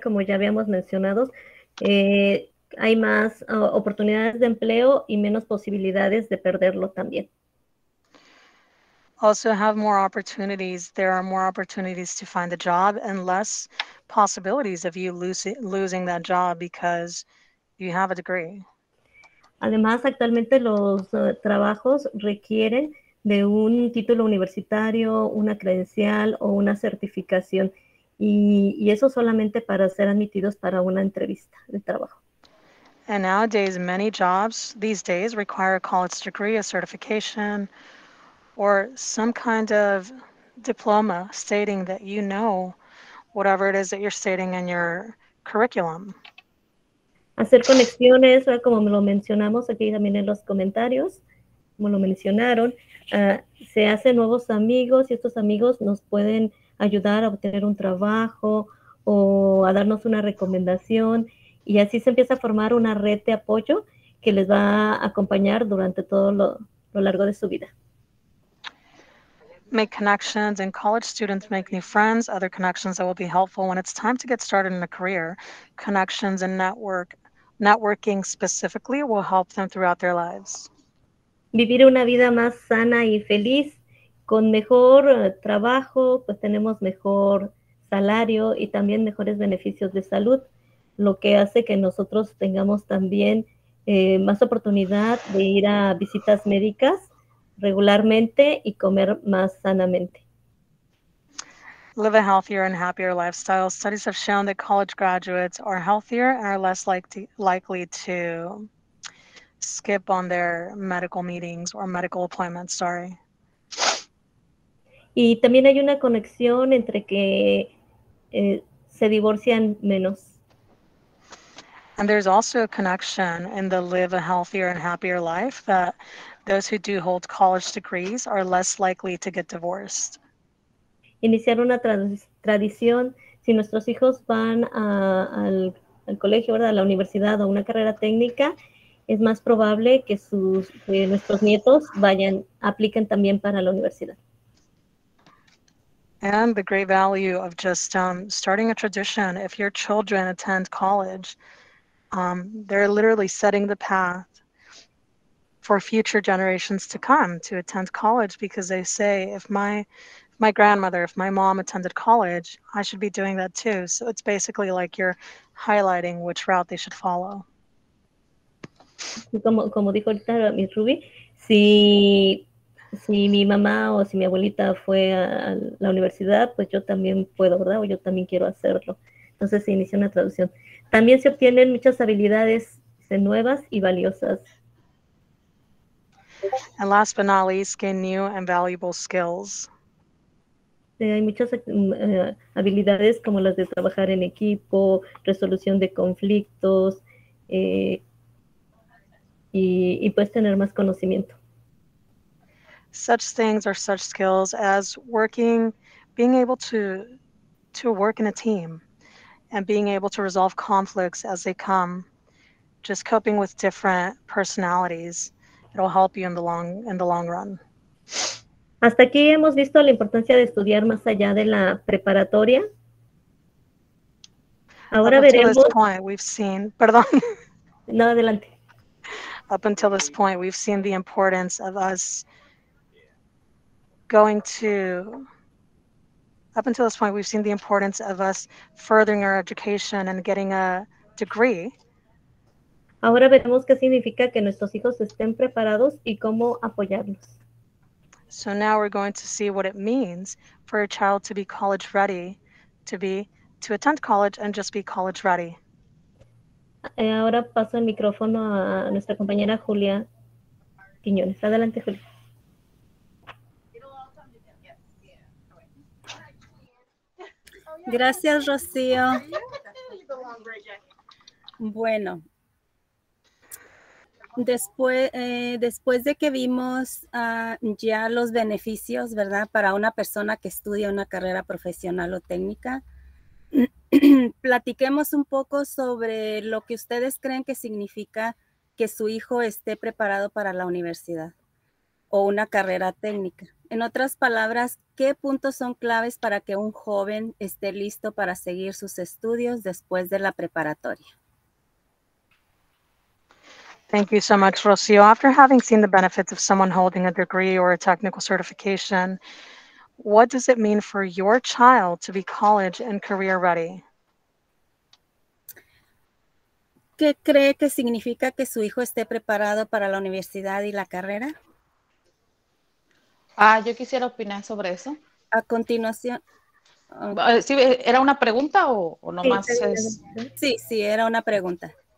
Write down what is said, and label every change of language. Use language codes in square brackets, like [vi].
[es] Como ya habíamos mencionado, hay más oportunidades de empleo y menos posibilidades de perderlo también. [en] Also have more opportunities. There are more opportunities to find a job and less possibilities of you losing that job because you have a degree. [es] Además, actualmente los trabajos requieren de un título universitario, una credencial o una certificación, y eso solamente para ser admitidos para una entrevista de trabajo. [en] And nowadays, many jobs these days require a college degree, a certification, or some kind of diploma stating that you know whatever it is that you're stating in your curriculum. [es] Hacer conexiones, ¿verdad? Como lo mencionamos aquí también en los comentarios, como lo mencionaron, se hacen nuevos amigos y estos amigos nos pueden ayudar a obtener un trabajo o a darnos una recomendación, y así se empieza a formar una red de apoyo que les va a acompañar durante todo lo largo de su vida. [en] Make connections, and college students make new friends, other connections that will be helpful when it's time to get started in a career. Connections and networking specifically will help them throughout their lives. [es] Vivir una vida más sana y feliz, con mejor trabajo, pues tenemos mejor salario y también mejores beneficios de salud, lo que hace que nosotros tengamos también más oportunidad de ir a visitas médicas regularmente y comer más sanamente. [en] Live a healthier and happier lifestyle. Studies have shown that college graduates are healthier and are less likely to skip on their medical meetings or medical appointments, sorry. [es] Y también hay una conexión entre que se divorcian menos. [en] And there's also a connection in the live a healthier and happier life that those who do hold college degrees are less likely to get divorced. [es] Iniciar una tradición, si nuestros hijos van al colegio, ¿verdad?, a la universidad o una carrera técnica, es más probable que nuestros nietos apliquen también para la universidad. [en] And the great value of just starting a tradition, if your children attend college, they're literally setting the path for future generations to come to attend college, because they say, if my grandmother, if my mom attended college, I should be doing that too. So it's basically like you're highlighting which route they should follow. [es] Como dijo ahorita Miss Ruby, si mi mamá o si mi abuelita fue a la universidad, pues yo también puedo, ¿verdad? O yo también quiero hacerlo. Entonces se inicia una traducción. También se obtienen muchas habilidades nuevas y valiosas. [en] And last but not least, gain new and valuable skills. [es] Hay muchas habilidades como las de trabajar en equipo, resolución de conflictos, y puedes tener más conocimiento. [en] Such things are such skills as working, being able to work in a team, and being able to resolve conflicts as they come, just coping with different personalities. It'll help you in the long run. [es] Hasta aquí hemos visto la importancia de estudiar más allá de la preparatoria. Ahora veremos. [en] Up until this point, we've seen. [es] Perdón. No, adelante. [en] Up until this point, we've seen the importance of us going to. Up until this point, we've seen the importance of us furthering our education and getting a degree. [es] Ahora veremos qué significa que nuestros hijos estén preparados y cómo apoyarlos. [en] So now we're going to see what it means for a child to be college ready, to attend college and just be college ready. [es] Ahora paso el micrófono a nuestra compañera Julia Quiñones. Adelante, Julia. Gracias, Rocío. Bueno, después de que vimos ya los beneficios, ¿verdad? Para una persona que estudia una carrera profesional o técnica, platiquemos un poco sobre lo que ustedes creen que significa que su hijo esté preparado para la universidad o una carrera técnica. En otras palabras, ¿qué puntos son claves para que un joven esté listo para seguir sus estudios después de la preparatoria? [en] Thank you so much, Rocio. After having seen the benefits of someone holding a degree or a technical certification, what does it mean for your child to be college and career ready? [es] ¿Qué cree que significa que su hijo esté preparado para la universidad y la carrera? Ah, yo quisiera opinar sobre eso. A continuación. Sí, ¿era una pregunta o nomás sí, es? Sí, era una pregunta.